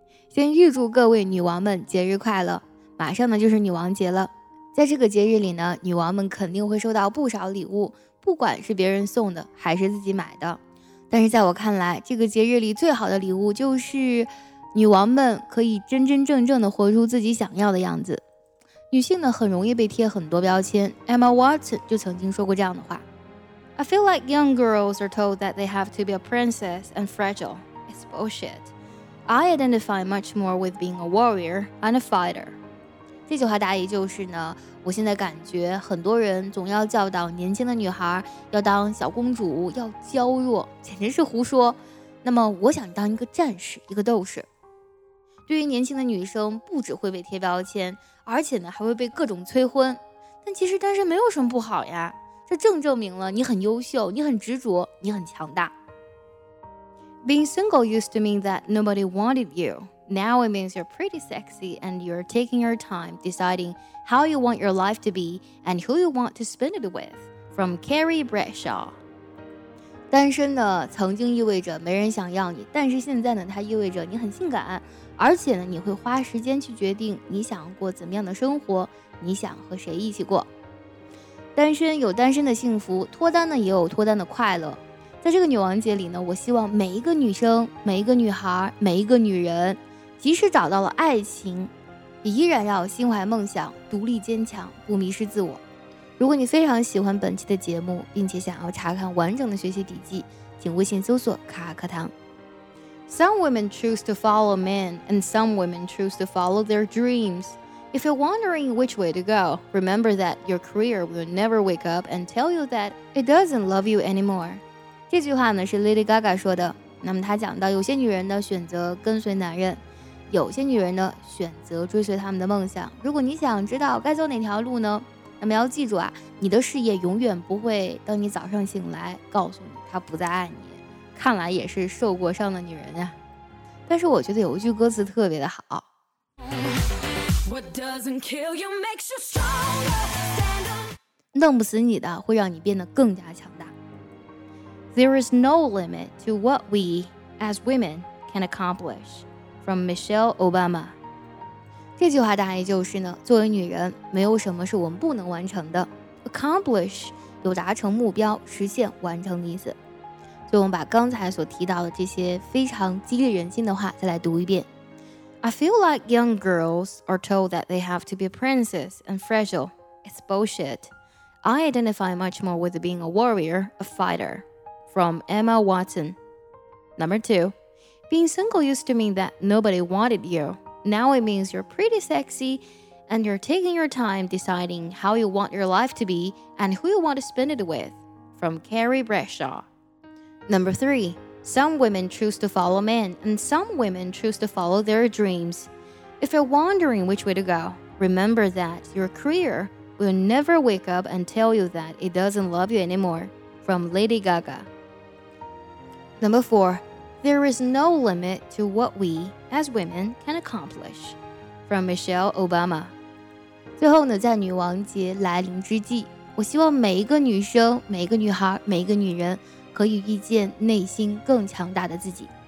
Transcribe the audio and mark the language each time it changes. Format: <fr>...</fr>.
<zh>先预祝各位女王们节日快乐。马上呢就是女王节了，在这个节日里呢，女王们肯定会收到不少礼物，不管是别人送的还是自己买的。但是在我看来，这个节日里最好的礼物就是女王们可以真真正正的活出自己想要的样子。女性呢很容易被贴很多标签 ，Emma Watson 就曾经说过这样的话。</zh> <en>I feel like young girls are told that they have to be a princess and fragile. It's bullshit. I identify much more with being a warrior and a fighter.</en> <zh>这句话大意就是呢，我现在感觉很多人总要教导年轻的女孩要当小公主，要娇弱，简直是胡说。那么我想当一个战士，一个斗士。对于年轻的女生，不只会被贴标签，而且呢还会被各种催婚。但其实单身没有什么不好呀。这正证明了你很优秀，你很执着，你很强大。</zh> <en>Being single used to mean that nobody wanted you. Now it means you're pretty sexy and you're taking your time deciding how you want your life to be and who you want to spend it with. From Carrie Bradshaw.</en> <zh>单身呢，曾经意味着没人想要你，但是现在呢，它意味着你很性感，而且呢，你会花时间去决定你想过怎么样的生活，你想和谁一起过。单身有单身的幸福，脱单呢也有脱单的快乐。在这个女王节里呢，我希望每一个女生、每一个女孩、每一个女人，即使找到了爱情，也依然要心怀梦想，独立坚强，不迷失自我。如果你非常喜欢本期的节目，并且想要查看完整的学习笔记，请微信搜索卡卡课堂。</zh> <en>Some women choose to follow men, and some women choose to follow their dreams. If you're wondering which way to go, remember that your career will never wake up and tell you that it doesn't love you anymore.</en> <zh>这句话呢是 Lady Gaga 说的。那么她讲到有些女人呢选择跟随男人，有些女人呢选择追随他们的梦想。如果你想知道该走哪条路呢，那么要记住啊，你的事业永远不会当你早上醒来告诉你他不再爱你。看来也是受过伤的女人啊。但是我觉得有一句歌词特别的好。</zh> <en>What doesn't kill you makes you stronger.</en> <zh>弄不死你的会让你变得更加强大。</zh> <en>There is no limit to what we, as women, can accomplish. From Michelle Obama.</en> <zh>这句话大意就是呢，作为女人，没有什么是我们不能完成的。 Accomplish 有达成目标、实现、完成的意思。所以我们把刚才所提到的这些非常激励人心的话再来读一遍。</zh> <en>I feel like young girls are told that they have to be a princess and fragile. It's bullshit. I identify much more with being a warrior, a fighter. From Emma Watson. Number 2. Being single used to mean that nobody wanted you. Now it means you're pretty sexy and you're taking your time deciding how you want your life to be and who you want to spend it with. From Carrie Bradshaw. Number 3. Some women choose to follow men, and some women choose to follow their dreams. If you're wondering which way to go, remember that your career will never wake up and tell you that it doesn't love you anymore. From Lady Gaga. Number 4. There is no limit to what we, as women, can accomplish. From Michelle Obama.</en> <zh>最后呢，在女王节来临之际，我希望每一个女生、每一个女孩、每一个女人可以遇见内心更强大的自己。</zh>